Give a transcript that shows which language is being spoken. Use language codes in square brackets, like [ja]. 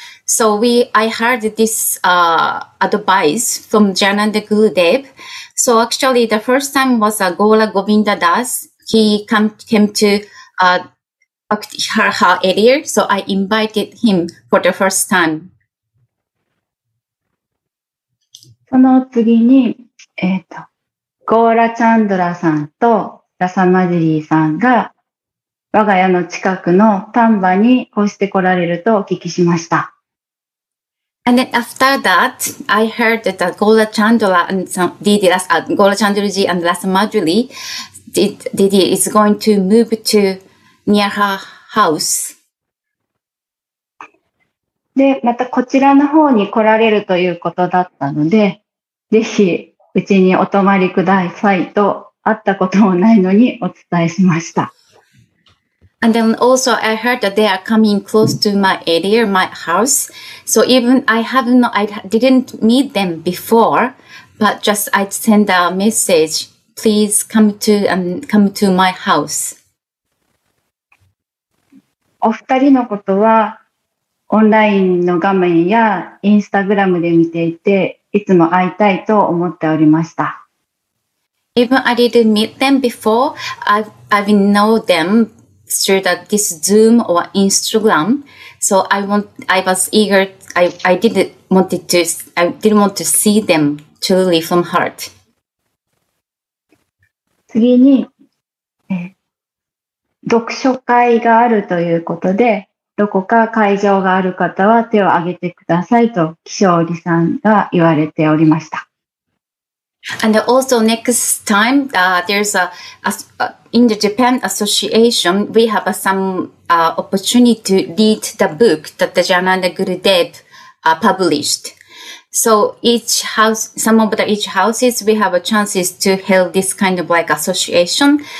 [en] So I heard this advice from Jayananda Gurudev. So actually the first time was Gola Govinda Das. He came to her area. So I invited him for the first time. [ja] その次に、ゴーラチャンドラさんとダサマジリーさんが我が家の近くの丹波に越してこられるとお聞きしました。 [en] And then after that, I heard that Gola Chandra and Gola Chandraji and Rasa Madhuri Didi is going to move to near her house. [ja] で、またこちらの方に来られるということだったので、ぜひうちにお泊まりくださいと会ったこともないのにお伝えしました。 [en] And then also I heard that they are coming close to my area, my house. So even I didn't meet them before, but just I send a message, please come to my house. [ja] お二人のことはオンラインの画面やインスタグラムで見ていて、いつも会いたいと思っておりました。 [en] Even I didn't meet them before, I've know them. Through that this Zoom or Instagram, so I didn't want to see them truly from heart. [ja] 次に読書会があるということで、どこか会場がある方は手を挙げてくださいと気象理さんが言われておりました。 [en] And also next time, there's in the Japan Association, we have opportunity to read the book that the Jayananda Gurudev published. So some of the houses, we have a chances to hold this kind of like association.